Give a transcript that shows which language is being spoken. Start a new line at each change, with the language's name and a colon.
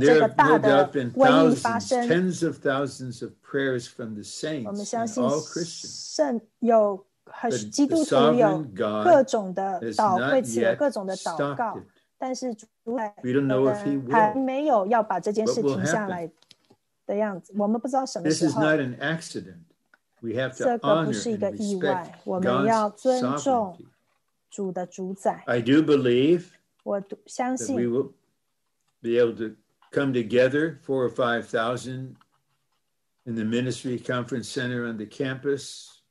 Chinese: 仇敌让这个宇宙的这个大的瘟疫发生。
English: Tens of thousands of prayers from the saints and all Christians.
Chinese: 有基督徒有各种的祷告，各种的祷告。
English: We don't know if he will.
Chinese: 还没有要把这件事停下来的样子。我们不知道什么时候。
English: This is not an accident. We have to honor and respect God's sovereignty. I do believe that we will be able to come together, 4,000 or 5,000, in the Ministry Conference Center on the campus.